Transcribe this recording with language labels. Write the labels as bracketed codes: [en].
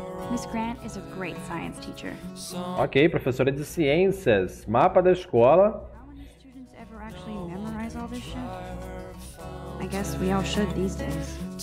[en] Miss Grant is a great science teacher. [pt] Ok, professora de ciências, mapa da escola. [en] How many students ever actually memorize all this shit? I guess we all should these days.